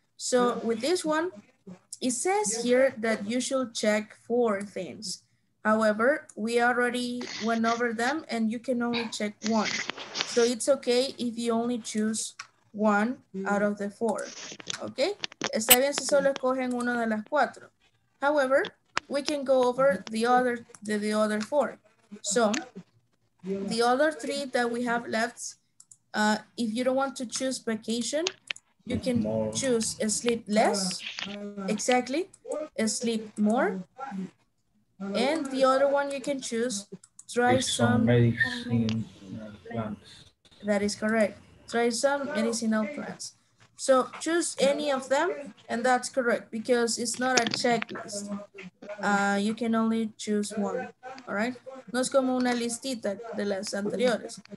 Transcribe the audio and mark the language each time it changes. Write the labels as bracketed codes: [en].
[en] So with this one, it says here that you should check four things. However, we already went over them and you can only check one. So it's okay if you only choose one out of the four, okay? [es] Está bien si solo escogen una de las cuatro. [en] However, we can go over the other four. So the other three that we have left, if you don't want to choose vacation, you can choose sleep less, exactly, sleep more. And the other one you can choose, try some medicinal plants. That is correct. Try some medicinal plants. So choose any of them, and that's correct because it's not a checklist. You can only choose one, all right? [es] No es como una listita de las anteriores.